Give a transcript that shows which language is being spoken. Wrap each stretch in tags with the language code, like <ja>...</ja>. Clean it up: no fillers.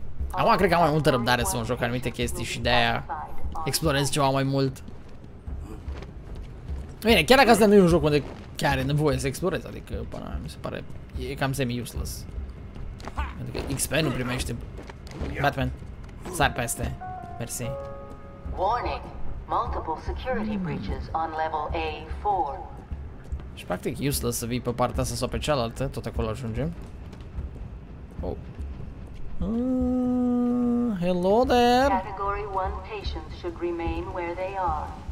<ro>Acum cred că am mai multă răbdare să mă joc anumite chestii și de-aia explorez ceva mai mult. Bine, chiar dacă asta nu e un joc unde chiar e nevoie să explorez, adică până mi se pare, e cam semi-useless. Pentru că XP nu primește. Batman, sar peste. Mersi.</ro> <en>Warning. Multiple security breaches on level A4.</en> <ro>Și practic useless să vii pe partea asta sau pe cealaltă, tot acolo ajungem.</ro> <en>Oh. Hello there. Category 1 patients should remain where they are.</en>